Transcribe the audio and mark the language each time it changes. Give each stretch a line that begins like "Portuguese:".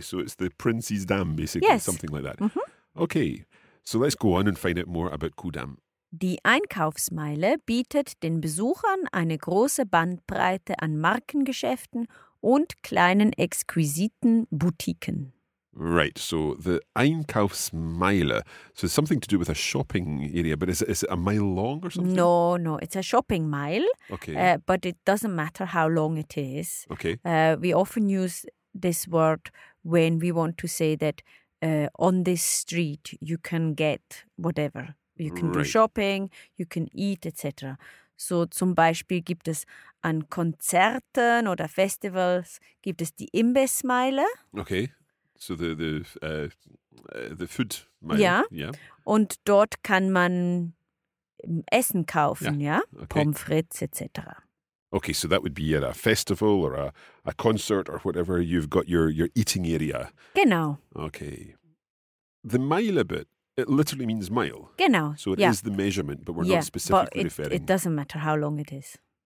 English: So it's the prince's dam, basically. Yes. Something like that. Mm-hmm. Okay. So let's go on and find out more about Kudamm.
German: Die Einkaufsmeile bietet den Besuchern eine große Bandbreite an Markengeschäften und kleinen exquisiten Boutiquen.
English: Right, so the Einkaufsmeile, so it's something to do with a shopping area, but is it a mile long or something? No, it's a shopping mile, okay. But it doesn't matter how long it is. Okay. We often use this word when we want to say that on this street you can get whatever. You can do shopping, you can eat, etc.
German: So zum Beispiel gibt es an Konzerten oder Festivals, gibt es die Imbissmeile.
English: Okay, so the food meile.
German: Ja, und dort kann man Essen kaufen,
English: okay.
German: Pommes frites, etc.
English: Okay, so that would be at a festival or a concert or whatever, you've got your eating area.
German: Genau.
English: Okay, the meile bit. It literally means mile.
German: Genau.
English: So it is the measurement, but we're not specifically referring. It doesn't matter how long it is.